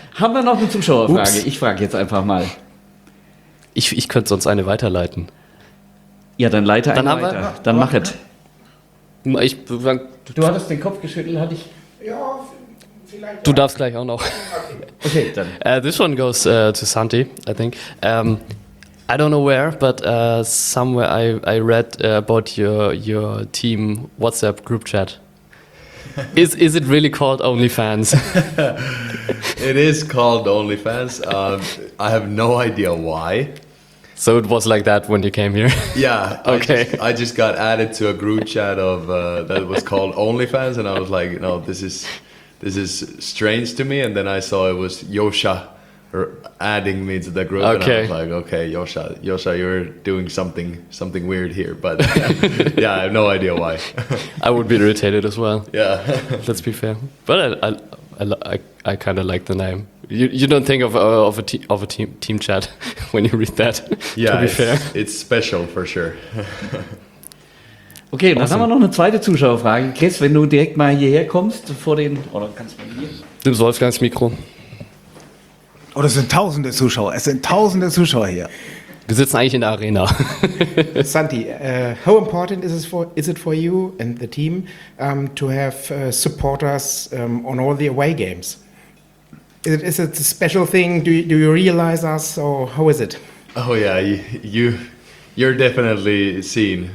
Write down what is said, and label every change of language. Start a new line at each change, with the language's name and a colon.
German: Haben wir noch eine Zuschauerfrage? Ups. Ich frage jetzt einfach mal. Ich könnte sonst eine weiterleiten. Ja, dann leite eine weiter. Dann mach es. Ich, du hattest den Kopf geschüttelt, hatte ich. Ja, vielleicht. Du darfst gleich auch noch. Okay, dann.
English: This one goes to Santi, I think. I don't know where, but somewhere I read about your team WhatsApp group chat. Is it really called OnlyFans? It is called OnlyFans. I have no idea why. So it was like that when you came here? Yeah. Okay. I just got added to a group chat of that was called OnlyFans, and I was like, no, this is strange to me. And then I saw it was Yosha adding me to the group. Okay. And I was like, okay, Yosha, you're doing something weird here. But yeah, I have no idea why. I would be irritated as well. Yeah. Let's be fair. But I kind of like the name. You don't think of a team chat when you read that. Yeah, to be fair, it's special for sure. Okay, awesome.
German: Dann haben wir noch eine zweite Zuschauerfrage. Chris, wenn du direkt mal hierher kommst, vor den oder kannst du hier? Nimm Wolfgangs Mikro. Oh, das sind tausende Zuschauer. Es sind tausende Zuschauer hier. Wir sitzen eigentlich in der Arena.
English: Santi, how important is it for you and the team to have supporters on all the away games? Is it a special thing? Do you realize us, or how is it? Oh yeah, you're definitely seen.